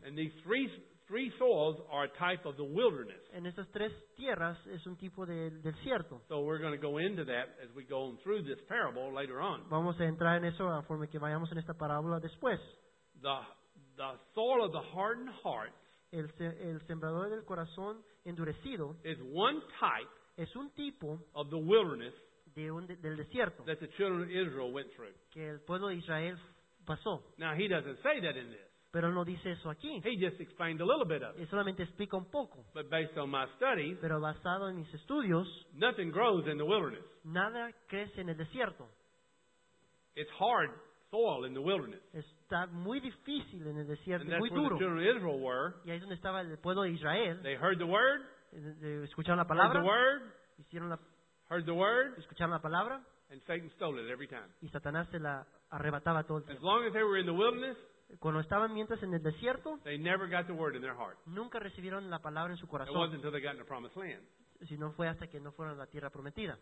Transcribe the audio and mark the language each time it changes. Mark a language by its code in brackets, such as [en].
[en] And these three soils are a type of the wilderness. [es] En esas tres tierras es un tipo de desierto. [en] So we're going to go into that as we go on through this parable later on. [es] Vamos a entrar en eso a forma que vayamos en esta parábola después. [en] The soil of the hardened heart. [es] El sembrador del corazón endurecido. [en] Is one type. [es] Es un tipo. [en] Of the wilderness. [es] Del desierto. [en] That the children of Israel went through. [es] Que el pueblo de Israel pasó. [en] Now he doesn't say that in this. [es] Pero no dice eso aquí. [en] He just explained a little bit of it. [es] Y solamente explica un poco. [en] But based on my studies, [es] pero basado en mis estudios, [en] nothing grows in the wilderness. [es] Nada crece en el desierto. [en] It's hard soil in the wilderness. [es] Está muy difícil en el desierto, [en] and that's [es] muy duro. [en] The children of Israel were. [es] Y ahí es donde estaba el pueblo de Israel. [en] They heard the word. [es] Escucharon la palabra. [en] Heard the word. [es] Hicieron la. [en] Heard the word. [es] Escucharon la palabra. [en] And Satan stole it every time. [es] Y Satanás se la arrebataba todo el tiempo. [en] As long as they were in the wilderness, [es] cuando estaban mientras en el desierto, [en] they never got the word in their heart. [es] Nunca recibieron la palabra en su corazón. [en] It wasn't until they got in the promised land. [es] Si no fue hasta que no fueron a la tierra prometida.